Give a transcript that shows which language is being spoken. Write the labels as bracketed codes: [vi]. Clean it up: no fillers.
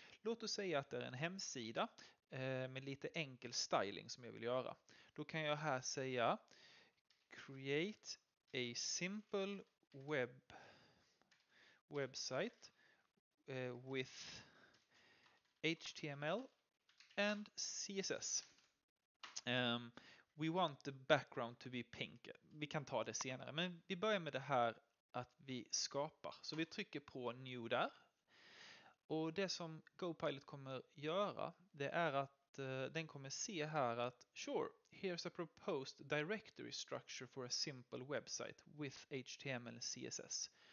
[sv] Låt oss säga att det är en hemsida med lite enkel styling som jag vill göra. Då kan jag här säga [en] create a simple website with HTML and CSS. We want the background to be pink. [sv] Vi kan ta det senare. Men vi börjar med det här att vi skapar. Så vi trycker på new där. Och det som GoPilot kommer göra, det är att den kommer se här att [en] sure, here's a proposed directory structure for a simple website with HTML and CSS.